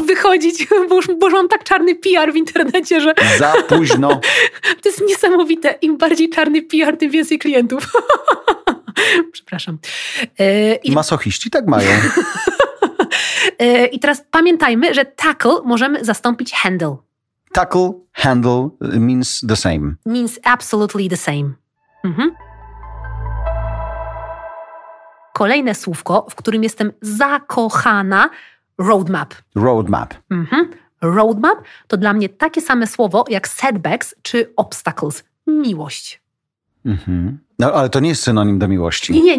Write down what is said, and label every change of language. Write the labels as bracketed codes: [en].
[pl] Wychodzić, bo już mam tak czarny PR w internecie, że... Za późno. To jest niesamowite. Im bardziej czarny PR, tym więcej klientów. Przepraszam. Masochiści tak mają. I teraz pamiętajmy, że tackle możemy zastąpić handle. [en] Tackle, handle means the same. Means absolutely the same. Mhm. [pl] Kolejne słówko, w którym jestem zakochana, roadmap. [en] Roadmap. Mhm. [pl] Roadmap to dla mnie takie same słowo jak setbacks czy obstacles. Miłość. Mhm. No, ale to nie jest synonim do miłości.